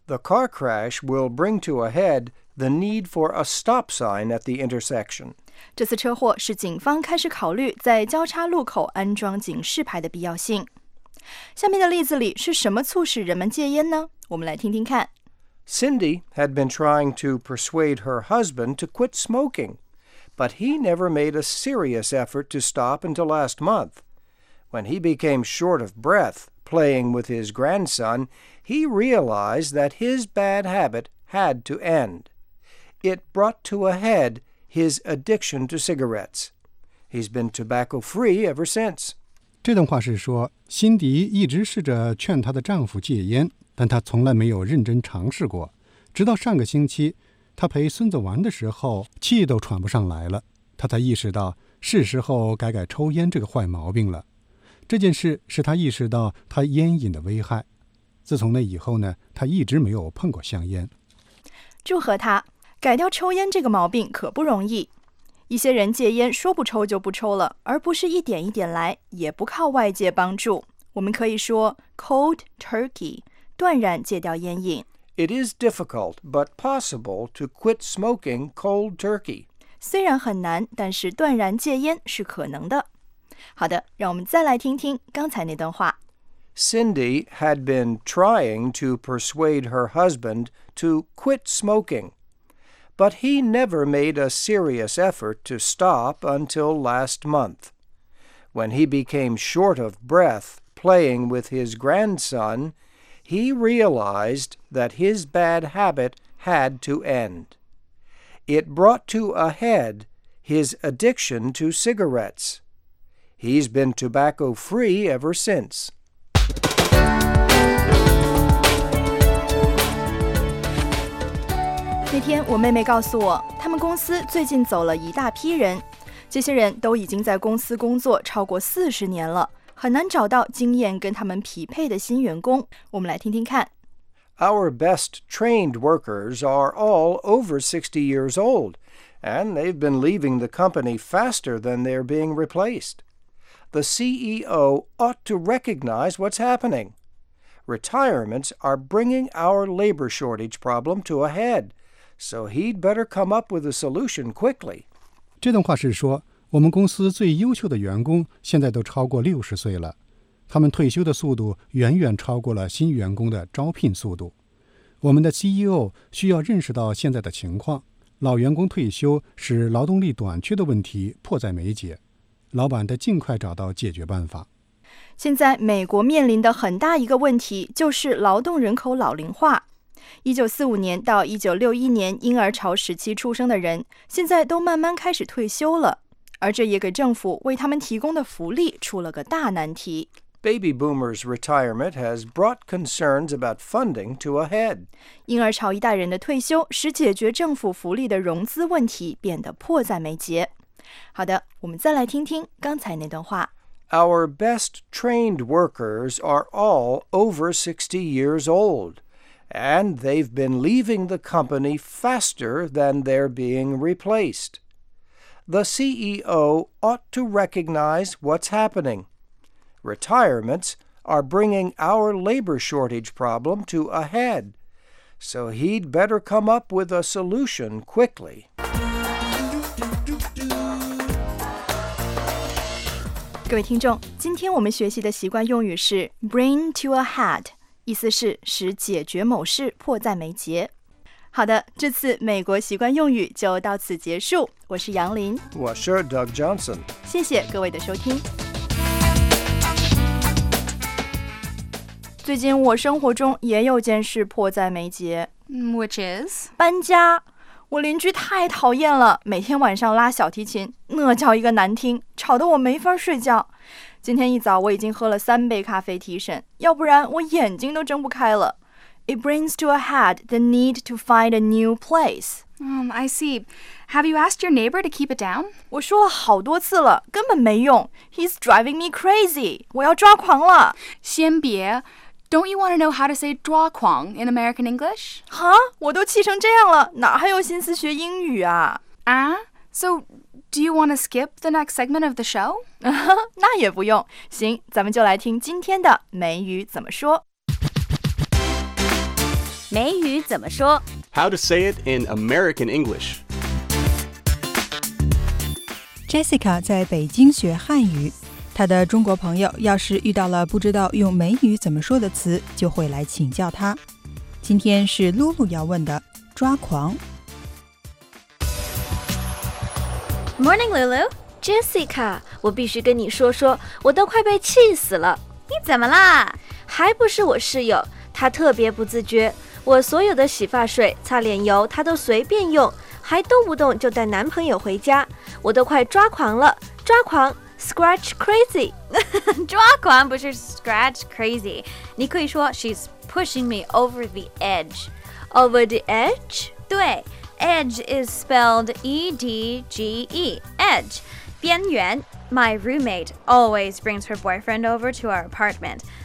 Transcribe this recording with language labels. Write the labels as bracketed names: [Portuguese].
[English] The car crash will bring to a head the need for a stop sign at the intersection. [Chinese] 这次车祸使警方开始考虑在交叉路口安装警示牌的必要性。下面的例子里是什么促使人们戒烟呢？我们来听听看。 [English] Cindy had been trying to persuade her husband to quit smoking, but he never made a serious effort to stop until last month. When he became short of breath playing with his grandson, he realized that his bad habit had to end. It brought to a head his addiction to cigarettes. He's been tobacco-free ever since. [Chinese] 这段话是说，辛迪一直试着劝她的丈夫戒烟，但她从来没有认真尝试过。直到上个星期，她陪孙子玩的时候，气都喘不上来了，她才意识到是时候改改抽烟这个坏毛病了。这件事使她意识到她烟瘾的危害。自从那以后呢，她一直没有碰过香烟。祝贺她，改掉抽烟这个毛病可不容易。一些人戒烟说不抽就不抽了，而不是一点一点来，也不靠外界帮助。我们可以说 [English] cold turkey, [Chinese] 断然戒掉烟瘾。 [English] It is difficult but possible to quit smoking cold turkey. [Chinese] 虽然很难，但是断然戒烟是可能的。好的，让我们再来听听刚才那段话。 [English] Cindy had been trying to persuade her husband to quit smoking, but he never made a serious effort to stop until last month. When he became short of breath playing with his grandson, he realized that his bad habit had to end. It brought to a head his addiction to cigarettes. He's been tobacco-free ever since. [Chinese] 那天我妹妹告诉我，他们公司最近走了一大批人，这些人都已经在公司工作超过40年了，很难找到经验跟他们匹配的新员工。我们来听听看。 [English] Our best trained workers are all over 60 years old, and they've been leaving the company faster than they're being replaced. The CEO ought to recognize what's happening. Retirements are bringing our labor shortage problem to a head. So he'd better come up with a solution quickly. [Chinese] 这段话是说，我们公司最优秀的员工现在都超过60岁了，他们退休的速度远远超过了新员工的招聘速度。我们的 CEO 需要认识到现在的情况，老员工退休使劳动力短缺的问题迫在眉睫，老板得尽快找到解决办法。现在美国面临的很大一个问题就是劳动人口老龄化。 1945年到1961年婴儿潮时期出生的人，现在都慢慢开始退休了，而这也给政府为他们提供的福利出了个大难题。 [English] Baby boomers' retirement has brought concerns about funding to a head. [Chinese] 婴儿潮一代人的退休使解决政府福利的融资问题变得迫在眉睫。好的，我们再来听听刚才那段话。 Our best trained workers are all over 60 years old. And they've been leaving the company faster than they're being replaced. The CEO ought to recognize what's happening. Retirements are bringing our labor shortage problem to a head. So he'd better come up with a solution quickly. 各位听众，今天我们学习的习惯用语是 [English] bring to a head. [Chinese] 意思是使解决某事迫在眉睫。好的，这次美国习惯用语就到此结束。我是杨林，我是 Doug Johnson，谢谢各位的收听。最近我生活中也有件事迫在眉睫 [English] ，which is [Chinese] 搬家。我邻居太讨厌了，每天晚上拉小提琴，那叫一个难听，吵得我没法�睡觉。今天一早我已经喝了3杯咖啡提神，要不然我眼睛都睁不开了。 [English] It brings to a head the need to find a new place. I see. Have you asked your neighbor to keep it down? [Chinese] 我说了好多次了，根本没用。 [English] He's driving me crazy. [Chinese] 我要抓狂了。先别。 [English] Don't you want to know how to say [Chinese] 抓狂 [English] in American English? Huh? [Chinese] 我都气成这样了，哪还有心思学英语啊？啊？ [English] So... Do you want to skip the next segment of the show? [Chinese] 那也不用。行，咱们就来听今天的美语怎么说。美语怎么说 [English] ？How to say it in American English? [Chinese] Jessica 在北京学汉语，她的中国朋友要是遇到了不知道用美语怎么说的词，就会来请教她。今天是露露要问的，抓狂。 [English] Morning, Lulu. [Chinese] Jessica, 我必须跟你说说，我都快被气死了。你怎么啦？还不是我室友，她特别不自觉。我所有的洗发水、擦脸油，她都随便用，还动不动就带男朋友回家。我都快抓狂了，抓狂 ， [English] scratch crazy。 [Chinese] 抓狂不是 [English] scratch crazy， [Chinese] 你可以说 [English] she's pushing me over the edge。 Over the edge？ [Chinese] 对。 [English] Edge is spelled E-D-G-E, edge, [Chinese] 边缘 [English] My roommate always brings her boyfriend over to our apartment.